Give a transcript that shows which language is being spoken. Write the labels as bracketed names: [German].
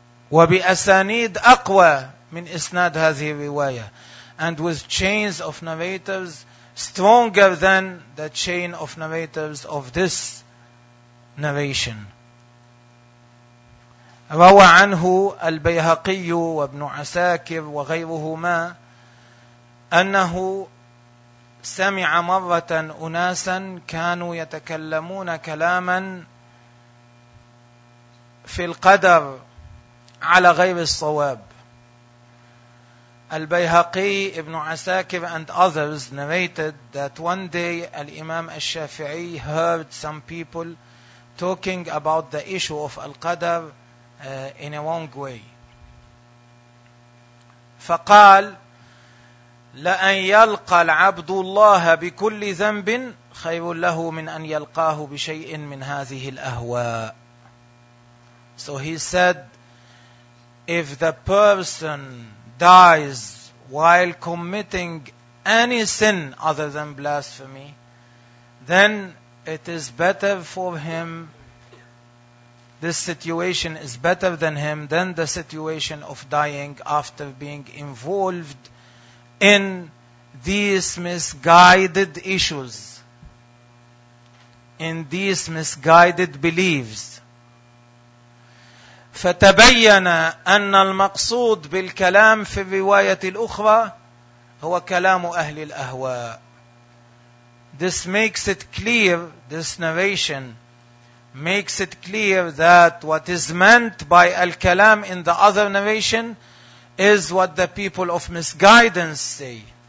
[Arabic] وبأسانيد أقوى من إسناد هذه الرواية [English] and with chains of narrators stronger than the chain of narrators of this narration. [Arabic] روى عنه البيهقي وابن عساكر وغيرهما أنه سمع مرة أناسا كانوا يتكلمون كلاما في القدر على غير الصواب [English] البيهقي ابن عساكر and others narrated that one day الإمام الشافعي heard some people talking about the issue of al-qadr in a wrong way. [Arabic] فقال لأن يلقى العبد الله بكل ذنب خير له من أن يلقاه بشيء من هذه الأهواء. [English] So he said, if the person dies while committing any sin other than blasphemy, then it is better for him This situation is better than him than the situation of dying after being involved in these misguided issues, in these misguided beliefs. [Arabic] فتبين أن المقصود بالكلام في الرواية الأخرى هو كلام أهل الأهواء. [English] This makes it clear, this narration makes it clear that what is meant by al-kalam in the other narration is what the people of misguidance say.